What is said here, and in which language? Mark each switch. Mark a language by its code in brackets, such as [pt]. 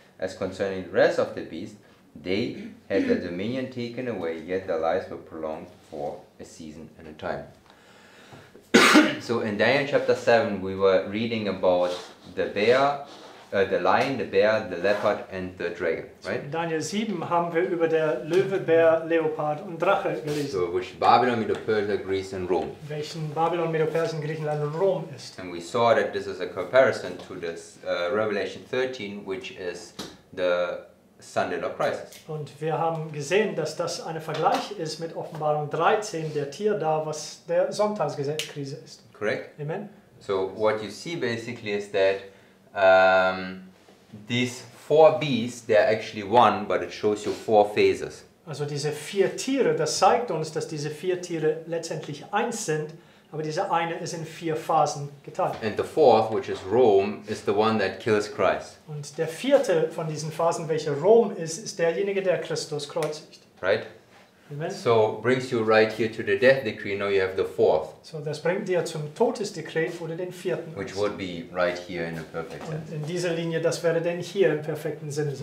[en] As concerning the rest of the beast, they had their dominion taken away, yet their lives were prolonged for a season and a time. So in Daniel chapter 7, we were reading about the bear, the lion, the bear, the leopard and the dragon, right? [de] In Daniel 7 haben wir über der Löwe, Bär, Leopard und Drache gelesen. [en] So which Babylon, Medo-Persia, Greece and Rome. [de] Welchen Babylon, Medo-Persien, Griechenland und Rom ist. [en] And we saw that this is a comparison to this Revelation 13, which is the Sunday of Christ. [de] Und wir haben gesehen, dass das eine Vergleich ist mit Offenbarung 13, der Tier da, was der Sonntagskrise ist. [en] Correct. Amen. So what you see basically is that these four beasts, they are actually one, but it shows you four phases. [de] Also diese vier Tiere, das zeigt uns, dass diese vier Tiere letztendlich eins sind, aber diese eine ist in vier Phasen geteilt. [en] And the fourth, which is Rome, is the one that kills Christ. [de] Und der vierte von diesen Phasen, welcher Rom ist, ist derjenige, der Christus kreuzigt. [en] Right? Amen. So brings you right here to the death decree. Now you have the fourth. [de] So das bringt dir zum Todesdekret, wo du den vierten. [en] Which would be right here in a perfect sense. [de] In dieser Linie, das wäre denn hier im perfekten Sinne.